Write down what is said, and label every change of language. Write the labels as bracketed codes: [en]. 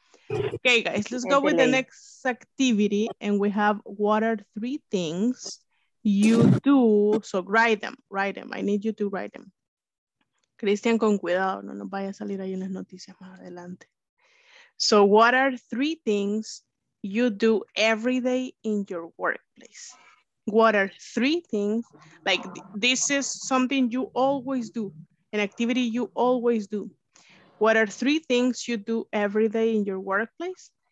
[en] Ok, guys, let's go with the next activity. And we have what are three things you do. So write them. I need you to write them. [es] Cristian, con cuidado, no nos vaya a salir ahí en las noticias más adelante. [en] So what are three things you do every day in your workplace? What are three things, like this is something you always do, an activity you always do. What are three things you do every day in your workplace?